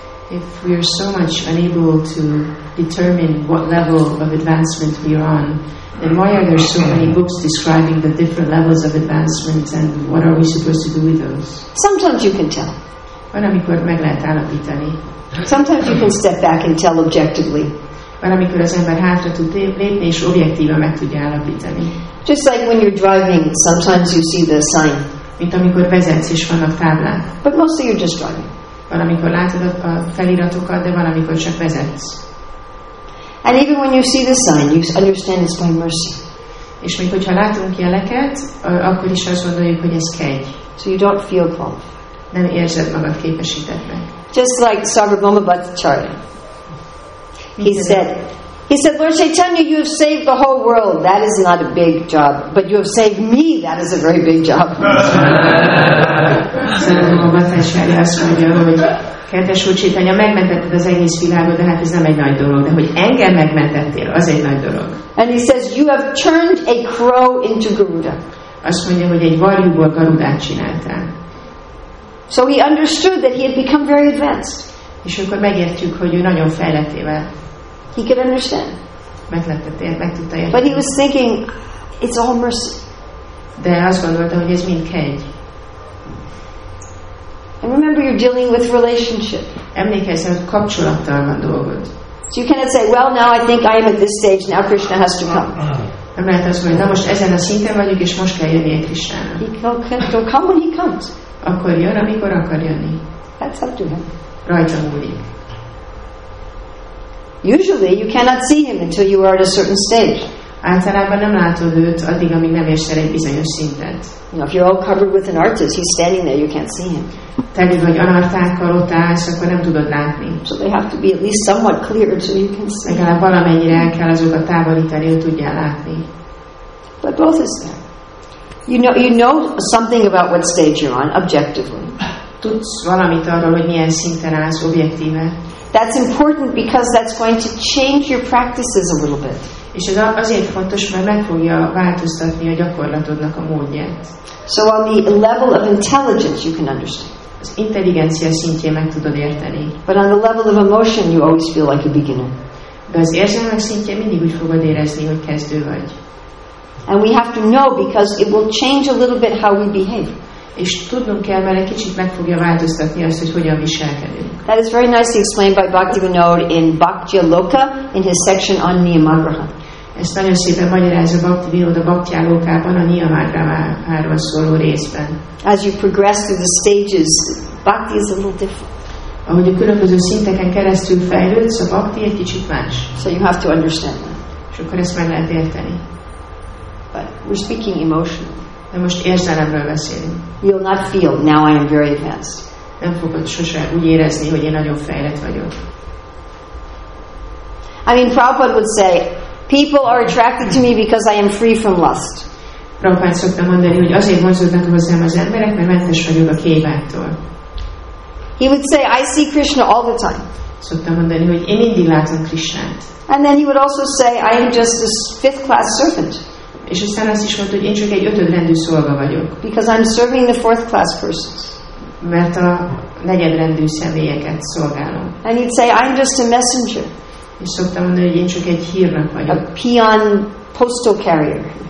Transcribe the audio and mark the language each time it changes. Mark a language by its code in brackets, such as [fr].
[en] If we are so much unable to determine what level of advancement we are on, then why are there so many books describing the different levels of advancement and what are we supposed to do with those? Sometimes you can tell. [hu] Van, amikor meg lehet állapítani. [en] Sometimes you can step back and tell objectively. [hu] van, amikor az ember hátra tud lépni és objektíven meg tudja állapítani. [en] Just like when you're driving, sometimes you see the sign. [hu] Mint amikor vezetsz és vannak táblák. [en] But mostly you're just driving. [hu] Van, amikor látod a feliratokat, de van, amikor csak vezetsz. [en] And even when you see the sign, you understand it's by mercy. [hu] És még hogyha látunk jeleket, akkor is azt gondoljuk, hogy ez kegy. [en] So you don't feel qualified. [hu] Nem érzed magad képesítettnek. [en] Just like Sarvabhauma Bhattacharya. He said, Lord Chaitanya, you have saved the whole world. That is not a big job. But you have saved me. That is a very big job. [hu] Sarvabhauma Bhattacharya azt mondja, hogy kedves Úr Chaitanya, megmentetted az egész világot, de hát ez nem egy nagy dolog. De hogy engem megmentettél, az egy nagy dolog. [en] And he says, you have turned a crow into Garuda. [hu] Azt mondja, hogy egy varjúból Garudát csináltál. [en] So he understood that he had become very advanced. [hu] És akkor megértjük, hogy ő nagyon fejletté vált. [en] He could understand. [hu] Meg tudta érteni. [en] But he was thinking, it's all mercy. [hu] De azt gondolta, hogy ez mind kegy. [en] And remember, you're dealing with relationship. [hu] Emlékezz, hogy kapcsolattal van dolgod. [en] So you cannot say, well, now I think I am at this stage, now Krishna has to come. [hu] Nem lehet azt mondani, most ezen a szinten vagyunk, és most kell jönnie Krishnának. [en] He'll come when he comes. [hu] Akkor jön, amikor akar jönni. [en] That's up to him. [hu] Rajta múlik. [en] Usually you cannot see him until you are at a certain stage. [hu] Általában nem látod őt, addig, amíg nem érsz el egy bizonyos szintet. [en] You know, if you're all covered with an artist, he's standing there, you can't see him. [hu] Tehát, hogy anartákkal ott állsz, akkor nem tudod látni. [en] So they have to be at least somewhat clear so you can see. [hu] Legalább valamennyire el kell azokat távolítani, hogy tudjál látni. [en] But both is there. You know something about what stage you're on objectively. [hu] Tudsz valamit arról, hogy milyen szinten állsz objektíven. [en] That's important because that's going to change your practices a little bit. [hu] És ez azért fontos, mert meg fogja változtatni a gyakorlatodnak a módját. [en] So on the level of intelligence you can understand. [hu] Az intelligencia szintjén meg tudod érteni. [en] But on the level of emotion you always feel like a beginner. [hu] De az érzelmek szintjén mindig úgy fogod érezni, hogy kezdő vagy. [en] And we have to know because it will change a little bit how we behave. [hu] És tudnunk kell, mert egy kicsit meg fogja változtatni azt, hogy hogyan viselkedünk. [en] That is very nicely explained by Bhaktivinoda in Bhaktya Loka in his section on Niyamagraha. [hu] Ezt nagyon szépen magyarázza Bhaktivinoda Bhaktya Lokában a Niyamagraháról szóló részben. [en] As you progress through the stages, bhakti is a little different. [hu] Ahogy a különböző szinteken keresztül fejlődsz, a bhakti egy kicsit más. [en] So you have to understand that. [hu] És akkor ezt meg lehet érteni. [en] But we're speaking emotionally. [hu] De most érzelemről beszélünk. [en] You'll not feel, now I am very advanced. [hu] Nem fogod sose úgy érezni, hogy én nagyon fejlett vagyok. [en] I mean, Prabhupada would say, people are attracted to me because I am free from lust. [hu] Prabhupada szokta mondani, hogy azért vonzódnak hozzám az emberek, mert mentes vagyok a kévágytól. [en] He would say, I see Krishna all the time. [hu] Szokta mondani, hogy én mindig látom Krishnát. [en] And then he would also say, I am just this fifth class servant. [hu] És aztán azt is mondta, hogy én csak egy ötödrendű szolga vagyok. [en] Because I'm serving the fourth class persons. [hu] Mert a negyedrendű személyeket szolgálom. [en] And he'd say, I'm just a messenger. [hu] És szoktam mondani, hogy én csak egy hírnök vagyok. [en] A peon postal carrier.